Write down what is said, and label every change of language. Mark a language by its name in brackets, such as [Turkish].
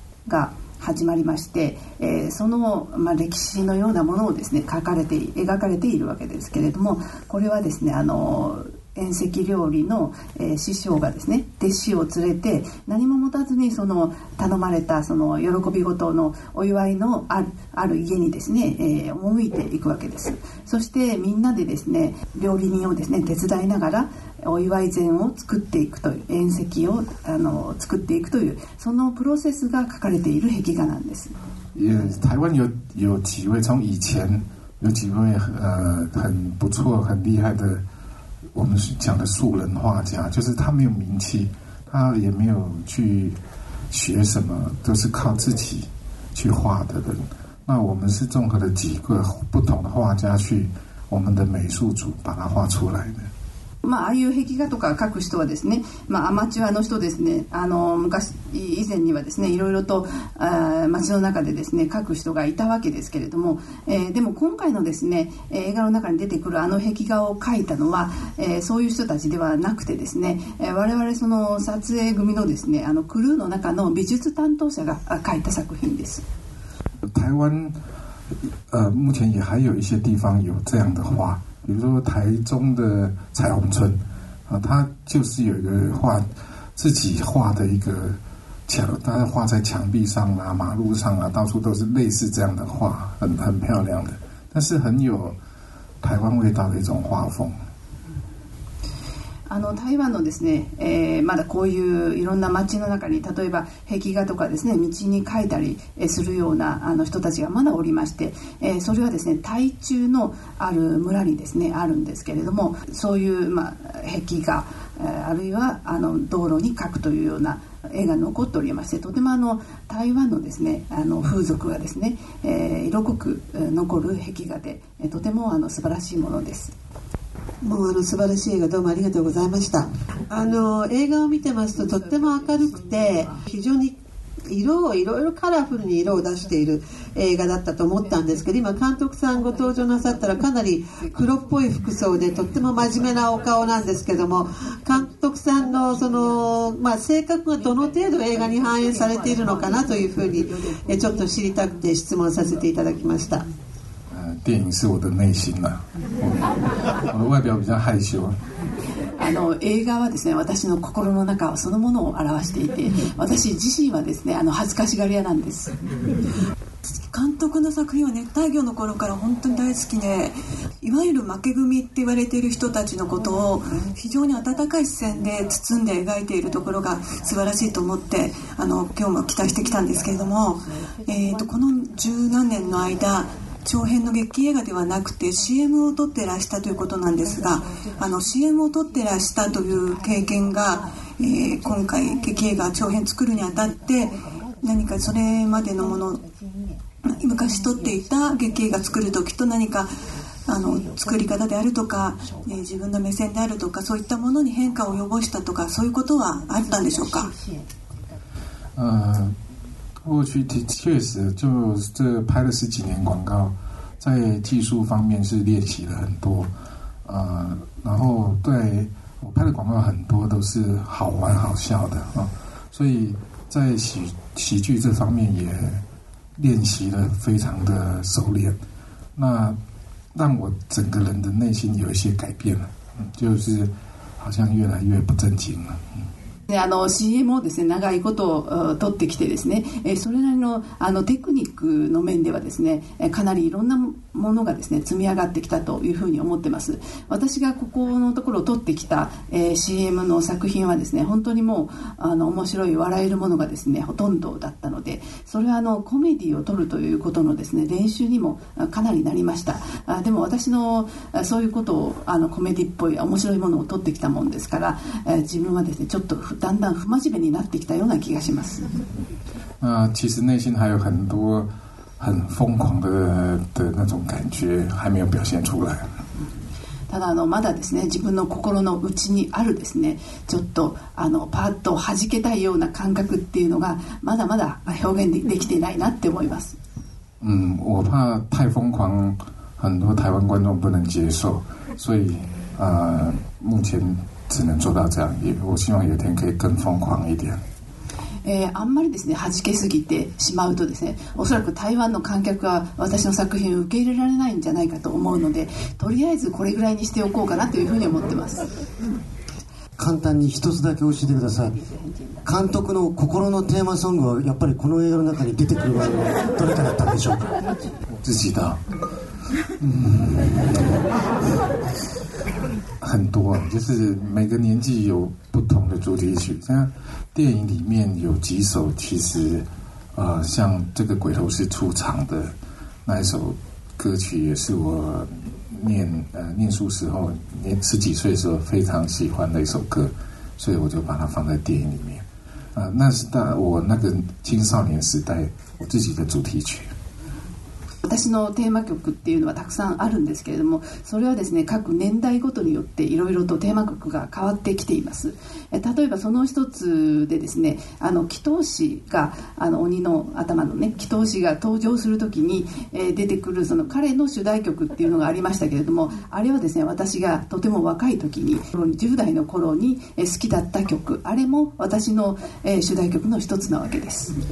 [Japanese] が始まりまして、その、歴史のようなものをですね描かれているわけですけれども、これはですね宴席料理の、師匠がですね弟子を連れて何も持たずにその頼まれたその喜び事のお祝いのある家にですね、赴いていくわけです。そしてみんなでですね料理人をですね手伝いながらお祝い膳を作っていくという宴席を作っていくというそのプロセスが書かれている壁画なんです。 [Chinese] 台湾有几位从以前有几位很不错很厉害的我们讲的素人画家，就是他没有名气，他也没有去学什么，都是靠自己去画的人。那我们是综合了几个不同的画家去我们的美术组把它画出来的。 [Japanese] まあ、ああいう壁画とか描く人はですね、まあ、アマチュアの人ですね、あの昔以前にはですね、いろいろと街の中でですね、描く人がいたわけですけれども、でも今回のですね、映画の中に出てくるあの壁画を描いたのは、そういう人たちではなくてですね、我々その撮影組のですね、あのクルーの中の美術担当者が描いた作品です。 [Chinese] 台湾目前也还有一些地方有这样的画，比如说台中的彩虹村，他就是有一个画自己画的一个墙，他画在墙壁上啊、马路上啊，到处都是类似这样的画，很漂亮的，但是很有台湾味道的一种画风。 [Japanese] あの台湾のですね、まだこういういろんな街の中に例えば壁画とかですね道に描いたりするようなあの人たちがまだおりまして、それはですね台中のある村にですねあるんですけれども、そういう、まあ、壁画、あるいはあの道路に描くというような絵が残っておりまして、とてもあの台湾のですねあの風俗がですね、色濃く残る壁画で、とてもあの素晴らしいものです。もうあの素晴らしい映画どうもありがとうございました。あの映画を見てますととっても明るくて、非常に色をいろいろカラフルに色を出している映画だったと思ったんですけど、今監督さんご登場なさったらかなり黒っぽい服装でとっても真面目なお顔なんですけども、監督さんのその、まあ、性格がどの程度映画に反映されているのかなというふうにちょっと知りたくて質問させていただきました。 [Chinese] 电影是我的内心呐、啊，我的外表比较害羞。 [Japanese] あの映画はですね、私の心の中そのものを表していて、私自身はですね、あの恥ずかしがり屋なんです。監督の作品は熱帯魚の頃から本当に大好きで、いわゆる負け組って言われている人たちのことを非常に温かい視線で包んで描いているところが素晴らしいと思って、あの今日も期待してきたんですけれども、この十何年の間。長編の劇映画ではなくて CM を撮ってらしたということなんですが、あの CM を撮ってらしたという経験が、今回劇映画長編作るにあたって何かそれまでのもの、昔撮っていた劇映画作る時と何かあの作り方であるとか、自分の目線であるとかそういったものに変化を及ぼしたとか、そういうことはあったんでしょうか。 [Chinese] 过去的确实就这拍了十几年广告，在技术方面是练习了很多，然后对我拍的广告很多都是好玩好笑的啊，所以在喜剧这方面也练习了非常的熟练，那让我整个人的内心有一些改变了，就是好像越来越不正经了。 [Japanese] あの CM をですね長いこと撮ってきてですね、それなり の, あのテクニックの面ではですね、かなりいろんなものがですね積み上がってきたというふうに思ってます。私がここのところ撮ってきた、CM の作品はですね、本当にもうあの面白い笑えるものがですねほとんどだったので、それはあのコメディを撮るということのですね練習にもかなりなりました。でも私のそういうことをあのコメディっぽい面白いものを撮ってきたもんですから、自分はですねちょっとだんだん不真面目になってきたような気がします。 [Chinese] 那其实内心还有很多很疯狂 的那种感觉还没有表现出来。 [Japanese] ただあのまだですね自分の心の内にあるですねちょっとあのパッと弾けたいような感覚っていうのがまだまだ表現 できていないなって思います。 [Chinese] 我怕太疯狂很多台湾观众不能接受，所以目前只能做到这样，我希望有一天可以更疯狂一点。 [Japanese] あんまりですね弾けすぎてしまうとですね、おそらく台湾の観客は私の作品を受け入れられないんじゃないかと思うので、とりあえずこれぐらいにしておこうかなというふうに思ってます。簡単に一つだけ教えてください。監督の心のテーマソングはやっぱりこの映画の中に出てくるのはどれかだったんでしょうか。 [Chinese] 自己だ很多，就是每个年纪有不同的主题曲。像电影里面有几首，其实，像这个鬼头是出场的那一首歌曲，也是我念书时候十几岁的时候非常喜欢的一首歌。所以我就把它放在电影里面。那是我那个青少年时代我自己的主题曲。 [Japanese] 私のテーマ曲っていうのはたくさんあるんですけれども、それはですね、各年代ごとによっていろいろとテーマ曲が変わってきています。例えばその一つでですね、あの鬼頭氏が、あの鬼の頭のね、鬼頭氏が登場するときに、出てくるその彼の主題曲っていうのがありましたけれども、あれはですね、私がとても若い時に10代の頃に好きだった曲、あれも私の、主題曲の一つなわけです。